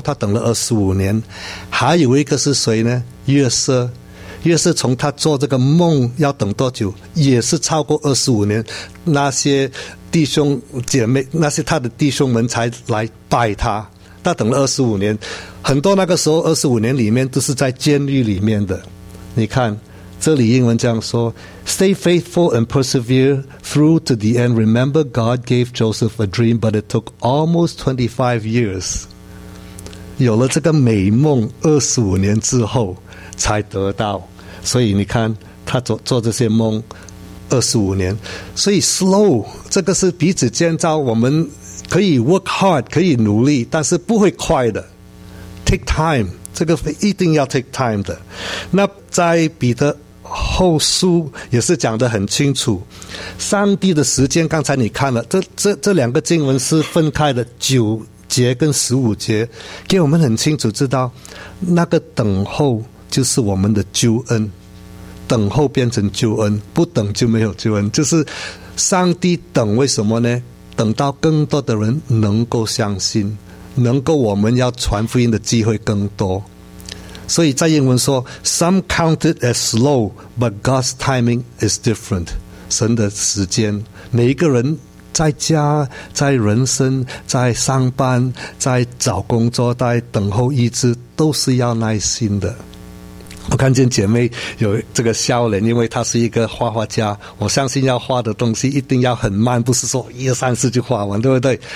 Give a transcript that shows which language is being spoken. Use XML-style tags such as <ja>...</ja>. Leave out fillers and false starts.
<zh>他等了25年。还有一个是谁呢？约瑟。约瑟从他做这个梦要等多久，也是超过25年。那些弟兄姐妹，那些他的弟兄们才来拜他，他等了25年。很多那个时候25年里面都是在监狱里面的。你看这里英文这样说，</zh> <en>Stay faithful and persevere through to the end. Remember, God gave Joseph a dream, but it took almost 25 years.</en> <zh>有了这个美梦25年之后才得到。所以你看他 做这些梦25年。所以 slow 这个是彼此建造，我们可以</zh> <en>work hard，</en> <zh>可以努力，但是不会快的。</zh> <en>Take time，</en> <zh>这个一定要</zh> <en>take time</en> <zh>的。那在彼得后书也是讲得很清楚，上帝的时间，刚才你看了这两个经文是分开的，9节跟15节，给我们很清楚知道那个等候就是我们的救恩，等候变成救恩，不等就没有救恩。就是上帝等，为什么呢？等到更多的人能够相信，能够我们要传福音的机会更多。所以在英文说</zh> <en>Some count it as slow, but God's timing is different.</en> <zh>神的时间，每一个人在家，在人生，在上班，在找工作，在等候医治，都是要耐心的。我看见姐妹有这个笑脸，因为她是一个画画家，我相信要画的东西一定要很慢，不是说一二三四就画完，对不对？</zh>